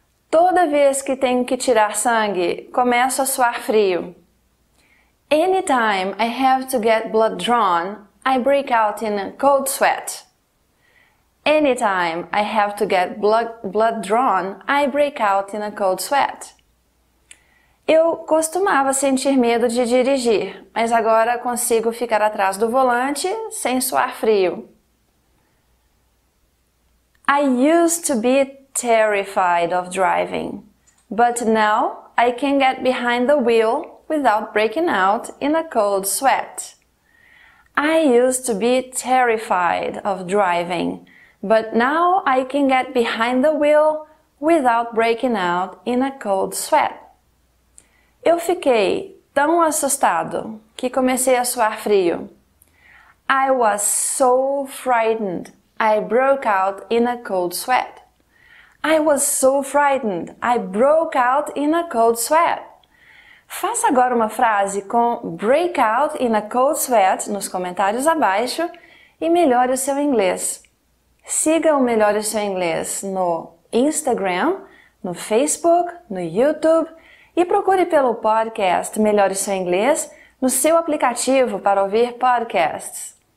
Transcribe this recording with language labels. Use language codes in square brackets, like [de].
[pt] Toda vez que tenho que tirar sangue, começo a suar frio. [en] Anytime I have to get blood drawn, I break out in a cold sweat. Anytime I have to get blood drawn, I break out in a cold sweat. [pt] Eu costumava sentir medo de dirigir, mas agora consigo ficar atrás do volante sem suar frio. [en] I used to be terrified of driving, but now I can get behind the wheel without breaking out in a cold sweat. I used to be terrified of driving, but now I can get behind the wheel without breaking out in a cold sweat. [pt] Eu fiquei tão assustado que comecei a suar frio. [en] I was so frightened, I broke out in a cold sweat. I was so frightened, I broke out in a cold sweat. [pt] Faça agora uma frase com [en] break out in a cold sweat [pt] nos comentários abaixo e melhore o seu inglês. Siga o Melhore o Seu Inglês no Instagram, no Facebook, no YouTube. E procure pelo podcast Melhore Seu Inglês no seu aplicativo para ouvir podcasts.